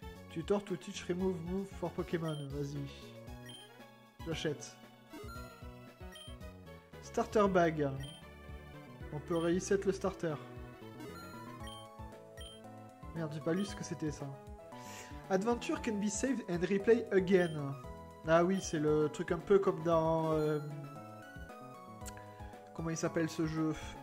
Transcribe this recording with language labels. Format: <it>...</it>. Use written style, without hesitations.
<en>Tutor to teach remove move for Pokémon,</en> <fr>vas-y. J'achète.</fr> <en>Starter bag.</en> <fr>On peut reset le starter. Merde, j'ai pas lu ce que c'était ça.</fr> <en>Adventure can be saved and replay again.</en> <fr>Ah oui, c'est le truc un peu comme dans... comment il s'appelle ce jeu?</fr>